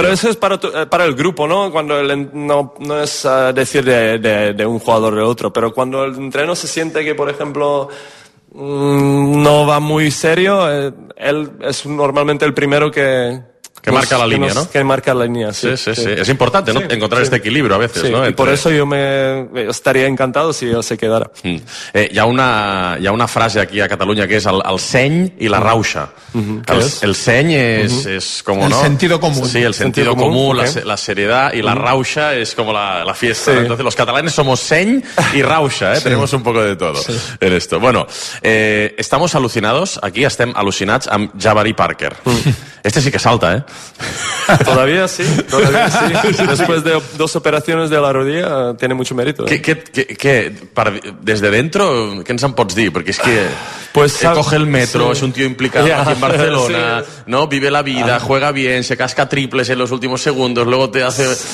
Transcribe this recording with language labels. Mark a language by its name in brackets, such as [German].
[Spanish] Sí, pero eso es para el grupo, ¿no? Cuando no es decir de un jugador de otro, pero cuando el entreno se siente que, por ejemplo, no va muy serio, él es normalmente el primero que pues marca la línea, ¿no? Que marca la línea, sí. Sí. Es importante, ¿no? Sí, encontrar este equilibrio a veces, ¿no? Y por eso yo me estaría encantado si él se quedara. [Catalan] Hi ha una frase aquí a Catalunya que és el seny i la rauxa. El seny és, és com, el [Spanish] ¿no? El sentido común. Sí, el sentido común, la seriedad, y la rauxa es como la fiesta. Sí. Entonces, los catalanes somos seny y rauxa, ¿eh? Sí. Tenemos un poco de todo en esto. Bueno, estamos alucinados, aquí [Catalan] estem alucinats amb [Spanish] Jabari Parker. Este sí que salta, ¿eh? Todavía sí. Después de dos operaciones de la rodilla, tiene mucho mérito. Desde dentro, ¿qué nos [Catalan] pots dir? [Spanish] Porque es que pues, coge el metro, es un tío implicado aquí en Barcelona, ¿no? Vive la vida, juega bien, se casca triples en los últimos segundos, luego te hace...